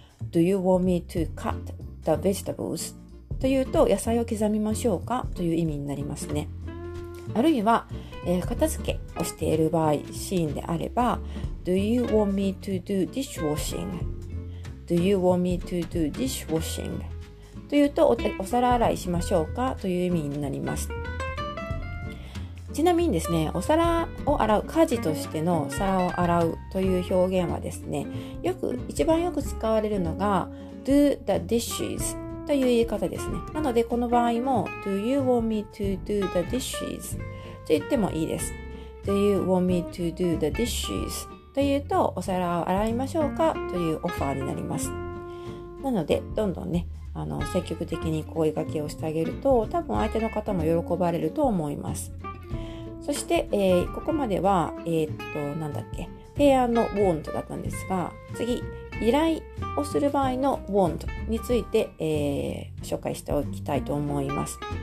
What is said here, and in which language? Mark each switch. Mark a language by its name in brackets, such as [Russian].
[English] Do you want me to cut the vegetables? [Japanese] というと、野菜を刻みましょうかという意味になりますね。あるいは、片付けをしている場合、シーンであれば [English] Do you want me to do dishwashing? Do you want me to do dishwashing? [Japanese] というと、お皿洗いしましょうかという意味になります。ちなみにですね、お皿を洗う、家事としての皿を洗うという表現はですね、一番よく使われるのが [English] Do the dishes [Japanese] という言い方ですね。なのでこの場合も [English] Do you want me to do the dishes? [Japanese] と言ってもいいです。 [English] Do you want me to do the dishes? [Japanese] というと、お皿を洗いましょうかというオファーになります。なので、どんどんね、積極的に声掛けをしてあげると、多分相手の方も喜ばれると思います。そして、ここまでは、提案の want だったんですが、次、依頼をする場合の want について、紹介しておきたいと思います。